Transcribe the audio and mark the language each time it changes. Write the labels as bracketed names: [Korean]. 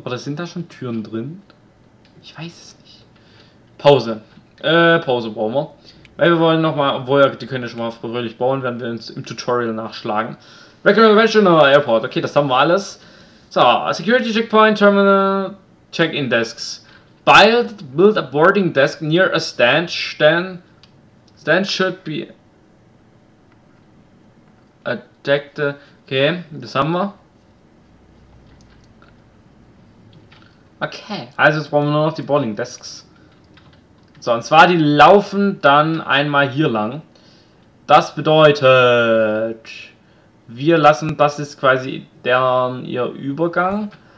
[German] Oder sind da schon Türen drin? Ich weiß es nicht. Pause. Pause brauchen wir. Weil wir wollen nochmal, obwohl ja, die können ja schon mal fröhlich bauen, werden wir uns im Tutorial nachschlagen. Regional Airport. Okay, das haben wir alles. [English] So, Security Checkpoint Terminal. Check-in Desks. Build a boarding desk near a stand. Stand should be adapted. [German] Okay, das haben wir. Okay, also jetzt brauchen wir nur noch die boarding desks. So, und zwar die laufen dann einmal hier lang. Das bedeutet, wir lassen, das ist quasi deren ihr Übergang.